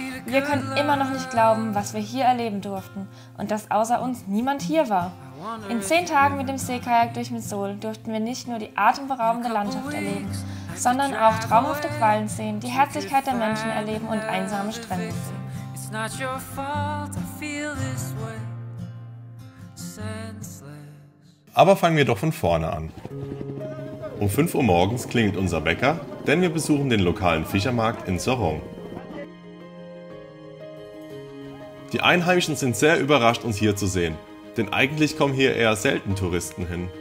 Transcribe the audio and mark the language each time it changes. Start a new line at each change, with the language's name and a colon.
German: Wir können immer noch nicht glauben, was wir hier erleben durften und dass außer uns niemand hier war. In 10 Tagen mit dem Seekajak durch Misol durften wir nicht nur die atemberaubende Landschaft erleben, sondern auch traumhafte Quallen sehen, die Herzlichkeit der Menschen erleben und einsame Strände sehen.
English: Not your fault, I feel this way. Senseless.
German: Aber fangen wir doch von vorne an. Um 5 Uhr morgens klingelt unser Wecker, denn wir besuchen den lokalen Fischermarkt in Sorong. Die Einheimischen sind sehr überrascht, uns hier zu sehen, denn eigentlich kommen hier eher selten Touristen hin.